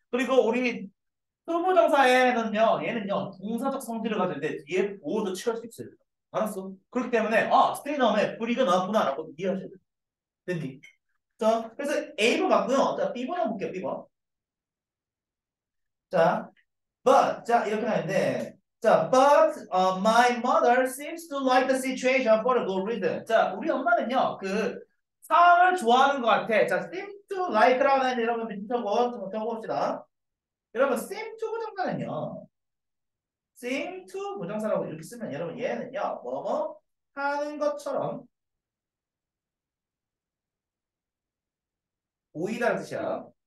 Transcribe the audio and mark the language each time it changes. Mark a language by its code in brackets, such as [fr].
[ko] 그리고 우리 얘는요, 동사적 성질을 가지는데 뒤에 보호도 취할 수 있어요. 알았어? 그렇기 때문에, stay 다음에 free가 나왔구나라고 이해하셔야 돼. 됐니? 자, 그래서 A번 맞고요. 자, B번 한번 볼게요, B번. [en] 자, but, 자, 이렇게 하는데, 자, but my mother seems to like the situation for a good reason. [ko] 자, 우리 엄마는요, 그 상황을 좋아하는 것 같아. 자, seem to like라는 이런 거 적어봅시다. 여러분, seem to 부정사는요, same to 부정사라고 이렇게 쓰면 여러분 얘는요 뭐뭐 하는 것처럼 보이다는 뜻이야.